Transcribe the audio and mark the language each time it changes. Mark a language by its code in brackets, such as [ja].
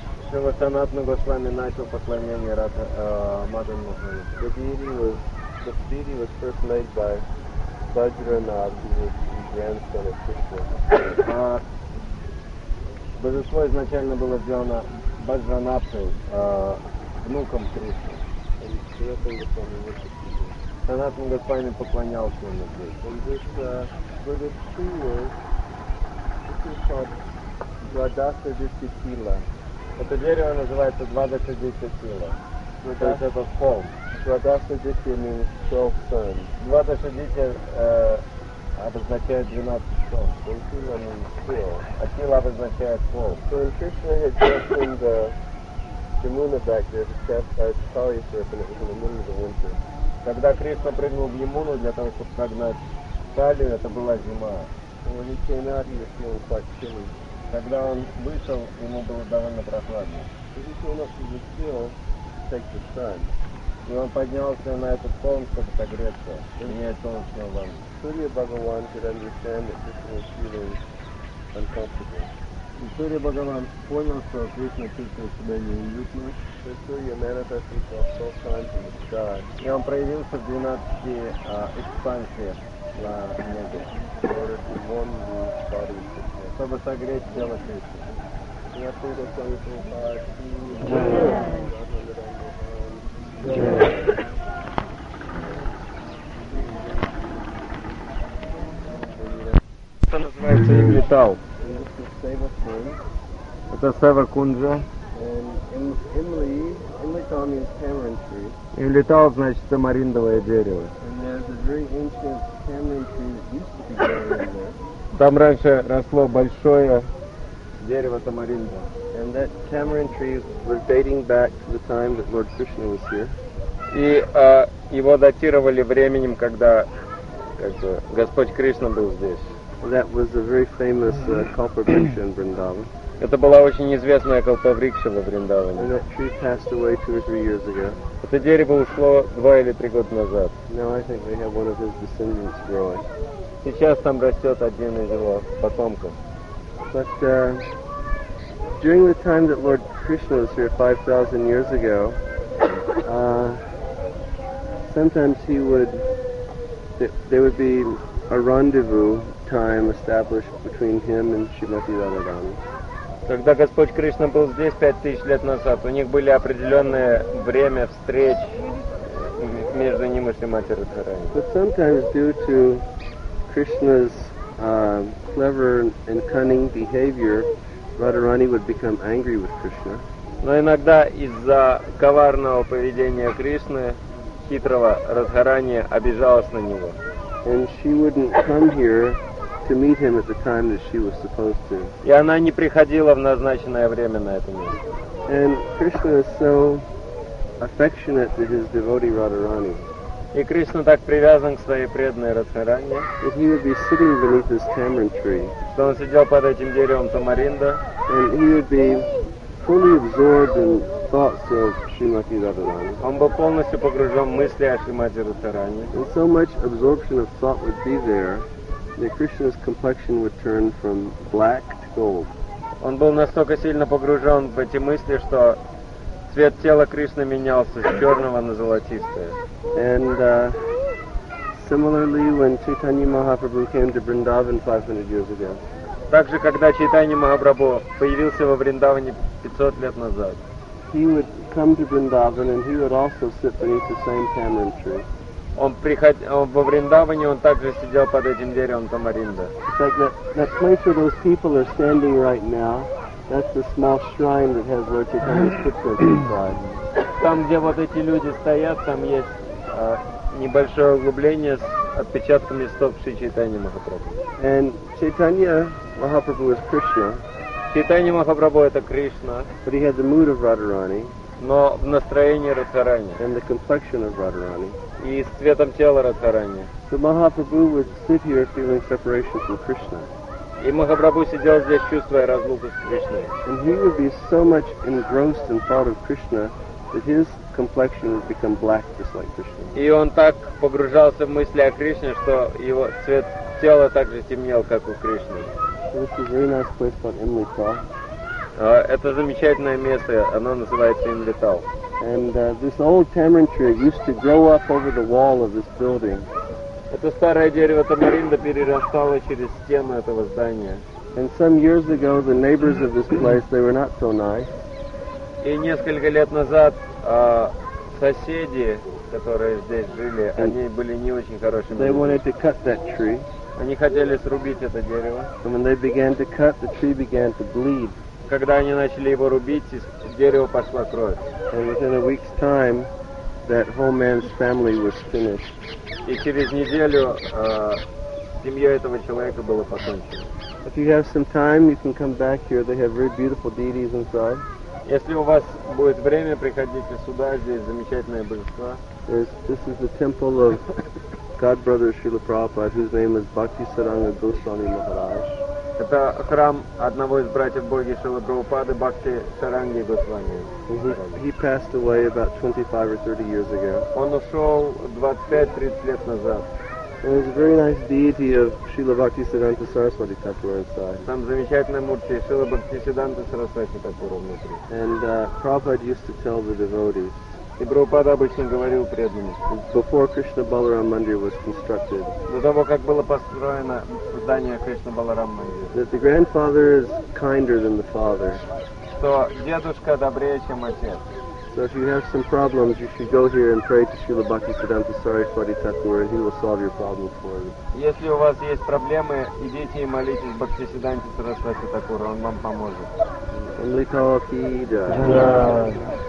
[ru] Шрила Санатана Госвами начал поклонение Радха Мадан Мохана. [en] The deity was first made by Vajranath, who was the grandson of Krishna. [ru] Божество изначально было сделано Баджранатхой, внуком Кришны. [en] And Sanatana Goswami worshipped him. [ru] Sanatana Goswami поклонялся ему здесь. [en] And this Buddhist tool, this is called Dvadasa Dittila. [ru] Это дерево называется Dvadasa Dittila. То есть это холм. [en] Dvadasa Ditya means 12 sons. [ru] Dvadasa Ditya обозначает 12 [en] sons. Atila means four. [ru] Atila обозначает 12. [en] So when Krishna had taken the Yamuna back there to cast by its Kali surf and it was in the middle of the winter. [ru] Когда Кришна прыгнул в Ямуну для того, чтобы прогнать Кали, это была зима. [en] When he came out, he was feeling quite chilly. [ru] Когда он вышел, ему было довольно прохладно. [en] So he came up to the hill to take the sun. [ru] И он поднялся на этот холм, чтобы согреться, принять солнечную ванну. [en] Сурья Бхагаван could understand that Krishna was feeling uncomfortable. [ru] И Сурья Бхагаван понял, что Кришна чувствует себя неуютно. [en] So Surya manifested himself 12 times in the sky. [ru] И он проявился в 12 экспансиях на небе. Чтобы согреть тело Кришны. Это называется имплитал. Это Сева Кунджа. Имлитал, Имлитал значит тамариндовое дерево. Там раньше росло большое дерево тамаринда. [en] And that tamarind tree was dating back to the time that Lord Krishna was here. [ru] И его датировали временем, когда как бы, Господь Кришна был здесь. [en] That was a very famous kalpavriksha in Vrindavan. [ru] Это была очень известная кальпавриксха во Вриндаване. [en] And that tree passed away 2 or 3 years ago. [ru] Это дерево ушло 2 или 3 года назад. [en] Now I think they have one of his descendants growing. [ru] Сейчас там растет один из его потомков. [en] But during the time that Lord Krishna was here 5,000 years ago, sometimes he would, there would be a rendezvous time established between him and Shrimati Radharani. [ru] Когда Господь Кришна был здесь 5000 лет назад, у них были определенное время встреч между ним и Шримати Радхарани. [en] But sometimes due to Krishna's clever and cunning behavior, Radharani would become angry with Krishna. [ru] Но иногда из-за коварного поведения Кришны, хитрого Радхарани обижалась на него. [en] And she wouldn't come here to meet him at the time that she was supposed to. [ru] И она не приходила в назначенное время на это место. [en] And Krishna is so affectionate to his devotee Radharani. [ru] И Кришна так привязан к своей преданной Радхарани. [en] That he would be sitting beneath this tamarind tree. [ru] Что он сидел под этим деревом тамаринда. [en] And he would be fully absorbed in thoughts of Shrimati Radharani. [ru] Он был полностью погружен в мысли о Шримати Радхарани. [en] And so much absorption of thought would be there. That Krishna's complexion would turn from black to gold. [ru] Он был настолько сильно погружен в эти мысли, что цвет тела Кришны менялся с черного на золотистое. [en] And similarly, when Chaitanya Mahaprabhu came to Vrindavan 500 years ago. [ru] Также, когда Чайтанья Махапрабху появился во Вриндаване 500 лет назад. [en] He would come to Vrindavan, and he would also sit beneath the same tamarind tree. [ru] Он приходил во Вриндаване, он также сидел под этим деревом тамаринда. [en] That place where those people are standing right now, that's the small shrine that has Lord Chaitanya's pictures inside. [ru] Там, где вот эти люди стоят, там есть небольшое углубление с отпечатками стоп Шри Чайтаньи Махапрабху. [en] And Chaitanya Mahaprabhu is Krishna. [ru] Чайтанья Махапрабху это Кришна. [en] But he had the mood of Radharani. [ru] Но в настроении Радхарани. [en] And the complexion of Radharani. [ru] И с цветом тела Радхарани. [en] So Mahaprabhu would sit here feeling separation from Krishna. [ru] И Махапрабху сидел здесь, чувствуя разлуку с Кришной. [en] And he would be so much engrossed in thought of Krishna that his complexion would become black just like Krishna. [ru] И он так погружался в мысли о Кришне, что его цвет тела также темнел, как у Кришны. [en] This is a very nice place called Imlital. [ru] Это замечательное место, оно называется Имлитал. [en] And this old tamarind tree used to grow up over the wall of this building. [ru] Это старое дерево тамаринда перерастало через стену этого здания. [en] And some years ago, the neighbors of this place, they were not so nice. [ru] И несколько лет назад соседи, которые здесь жили, они были не очень хорошими. [en] They wanted to cut that tree. [ru] Они хотели срубить это дерево. [en] And when they began to cut, the tree began to bleed. [ru] Когда они начали его рубить, из дерева пошла кровь. [en] And within a week's time, that whole man's family was finished. [ru] И через неделю семья этого человека была покончена. [en] If you have some time, you can come back here. They have very beautiful deities inside. [ru] Если у вас будет время, приходите сюда. Здесь замечательное божество. [en] This is the temple of God Brother Srila Prabhupada, whose name is Bhakti Saranga Goswami Maharaj. [ru] Это храм одного из братьев Боги Шрилы Прабхупады, Бхакти Саранги Госвами. [en] He passed away about 25 or 30 years ago. [ru] Он ушел 25-30 лет назад. [en] And there's a very nice deity of Srila Bhakti Siddhanta Saraswati Thakura inside. [ru] Там замечательная мурти Шрилы Бхакти Сиддханта Сарасвати Такура внутри. [en] And Prabhupada used to tell the devotees. [ru] И Прабхупада обычно говорил преданным. [en] Before Krishna Balaram Mandir was constructed. [ru] До того, как было построено здание Кришна Баларам Мандир. [en] That the grandfather is kinder than the father. [ru] Что дедушка добрее, чем отец. [en] So if you have some problems, you should go here and pray to Srila Bhaktisiddhanta Saraswati Thakur, and he will solve your problems for you. [ru] Если у вас есть проблемы, идите и молитесь Бхактисиддханте Сарасвати Такур, он вам поможет. Амликалкида.